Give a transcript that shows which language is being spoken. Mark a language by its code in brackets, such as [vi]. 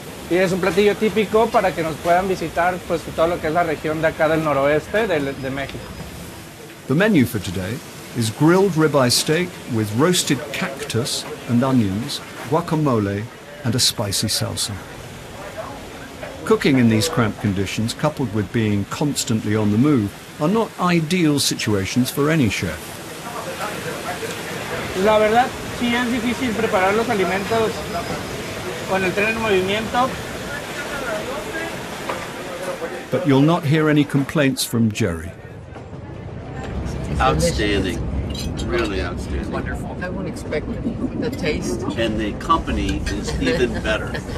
[es] Es un platillo típico para que nos puedan visitar, pues todo lo que es la región de acá del noroeste de México. [en] The menu for today is grilled ribeye steak with roasted cactus and onions, guacamole, and a spicy salsa. Cooking in these cramped conditions, coupled with being constantly on the move, are not ideal situations for any chef. [es] La verdad, sí es difícil preparar los alimentos con el tren en movimiento. [en] But you'll not hear any complaints from Jerry. Outstanding. Really outstanding. It's wonderful. I wouldn't expect the taste. And the company is even better.